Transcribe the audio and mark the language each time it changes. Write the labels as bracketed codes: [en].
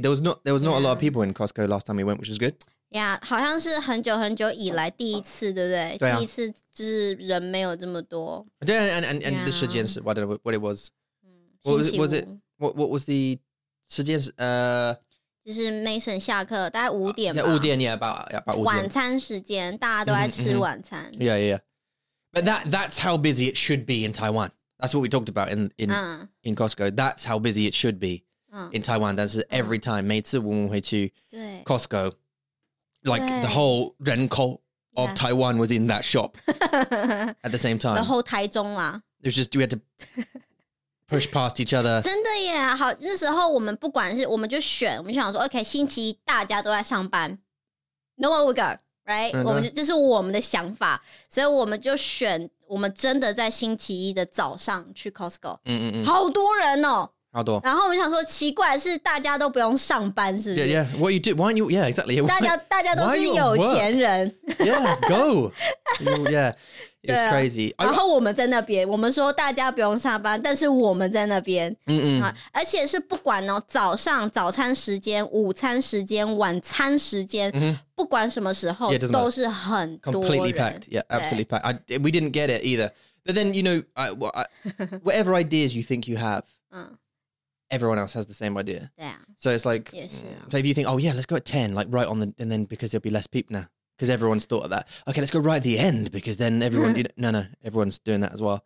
[en] There was not a lot of people in Costco last time we went, which was good. [zh] Yeah, 好像是很久很久以来第一次，对不对？对啊。第一次就是人没有这么多。 [en] 对 ，and the [zh] 时间是 [en] what it was. What was the 时间是 [zh] 就是 Mason 下课大概五点吧。五点 [en] ，yeah, about [zh] 晚餐时间，大家都在吃晚餐。 [en] Mm-hmm. Yeah. But that's how busy it should be in Taiwan. That's what we talked about in Costco. That's how busy it should be in Taiwan. [zh] 但是 [en] every time [zh] 每次我们回去 [en] Costco。 Like the whole 人口 of Taiwan was in that shop at the same time. The whole 台中啦 It was just, we had to push past each other. [zh] 真的耶，好，那时候我们不管是，我们就选，我们就想说 ,OK, 星期一大家都在上班。 [en] No one will go, right? [zh] 我们就，这是我们的想法。所以我们就选，我们真的在星期一的早上去 Costco。好多人哦。好多，然后我们想说，奇怪是大家都不用上班，是不是 [en] ？Yeah, yeah. What you do? Why aren't you? Yeah, exactly. Why, [zh] 大家都是有钱人。 [en] Yeah, go. Yeah, it's crazy. [zh] 然后我们在那边，我们说大家不用上班，但是我们在那边，而且是不管哦，早上早餐时间、午餐时间、晚餐时间， mm-hmm. 不管什么时候 [en] yeah, [zh] 都是很多人。 [en] Completely packed. Yeah, absolutely packed. We didn't get it either. But then you know, whatever ideas you think you have. Everyone else has the same idea. Yeah. So it's like, so if you think, oh yeah, let's go at 10, like right on the, and then because there'll be less people now, because everyone's thought of that. Okay, let's go right at the end, because then everyone, no, everyone's doing that as well.